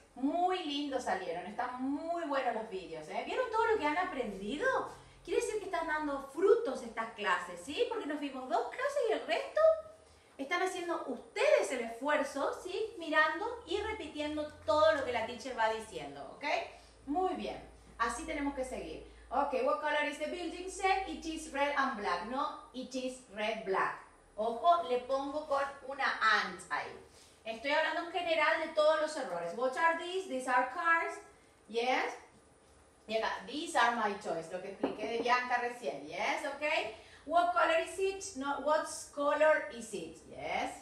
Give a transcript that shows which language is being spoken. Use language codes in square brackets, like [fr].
[es] Muy lindo salieron, están muy buenos los videos, ¿Vieron todo lo que han aprendido? Quiere decir que están dando frutos estas clases, ¿sí? Porque nos vimos dos clases y el resto están haciendo ustedes el esfuerzo, ¿sí? Mirando y repitiendo todo lo que la teacher va diciendo, ¿ok? Muy bien, así tenemos que seguir. [en] Ok, what color is the building set? It is red and black, no, it is red, black. [es] Ojo, le pongo con una and ahí. Estoy hablando en general de todos los errores. [en] What are these? These are cars, yes. Yeah, these are my toys, [es] lo que expliqué de Bianca recién, [en] yes, okay. What color is it? No, what color is it? Yes.